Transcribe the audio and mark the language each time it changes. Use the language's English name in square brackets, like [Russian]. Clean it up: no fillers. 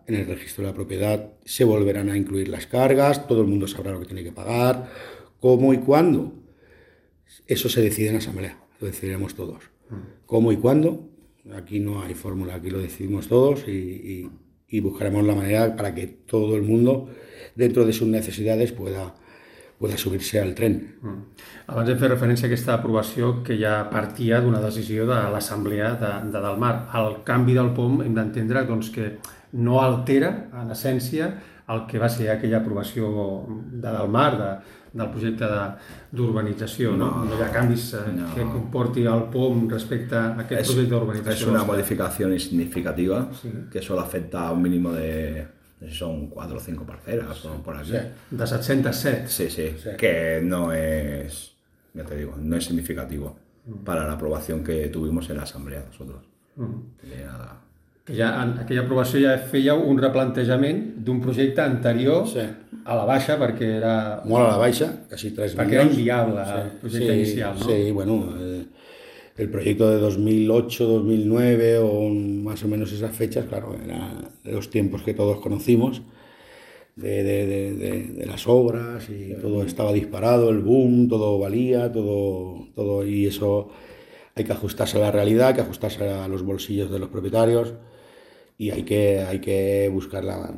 [Spanish] En el registro de la propiedad se volverán a incluir las cargas, todo el mundo sabrá lo que tiene que pagar, cómo y cuándo. Eso se decide en asamblea, lo decidiremos todos. ¿Cómo y cuándo? Aquí no hay fórmula, aquí lo decidimos todos y buscaremos la manera para que todo el mundo, dentro de sus necesidades, pueda subir-se al tren. [Catalan] Abans hem fet referència a aquesta aprovació que ja partia d'una decisió de l'Assemblea de Dalmar. El canvi del POM hem d'entendre doncs, que no altera, en essència, el que va ser aquella aprovació de Dalmar, del projecte d'urbanització. No hi ha canvis que comporti el POM respecte a aquest projecte d'urbanització. És una modificació significativa que [Spanish] solo afecta [Catalan] a un mínim de... [Spanish] Son 4 o 5 parcelas, sí, por aquí. De 707. Sí. Que no es, ya te digo, no es significativo para la aprobación que tuvimos en la asamblea nosotros. Nada. [Catalan] Que ja, en aquella aprovació ja fèieu un replantejament d'un projecte anterior a la baixa, perquè era... Molt a la baixa, quasi 3 milions. Perquè era inviable el projecte inicial, no? [Spanish] Sí, bueno, el proyecto de 2008, 2009 o más o menos esas fechas, claro, eran los tiempos que todos conocimos de las obras y todo estaba disparado, el boom, todo valía, todo y eso hay que ajustarse a la realidad, hay que ajustarse a los bolsillos de los propietarios y hay que buscar la...